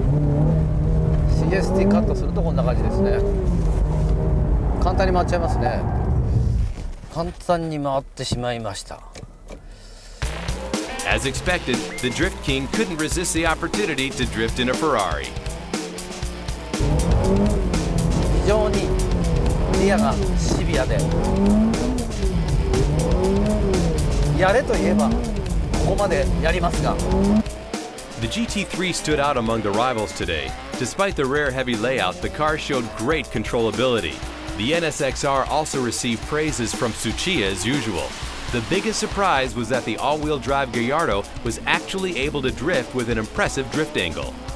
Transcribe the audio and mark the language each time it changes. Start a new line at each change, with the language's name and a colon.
Japanese: CST カットするとこんな感じですね。簡単に回っちゃいますね。簡単に回ってしまいました。
English: As expected, the Drift King couldn't resist the opportunity to drift in a Ferrari.
Japanese: 非常にリアがシビアで、やれと言えばここまでやりますが。
English: The GT3 stood out among the rivals today. Despite the rare heavy layout, the car showed great controllability. The NSXR also received praises from Tsuchiya as usual. The biggest surprise was that the all-wheel drive Gallardo was actually able to drift with an impressive drift angle.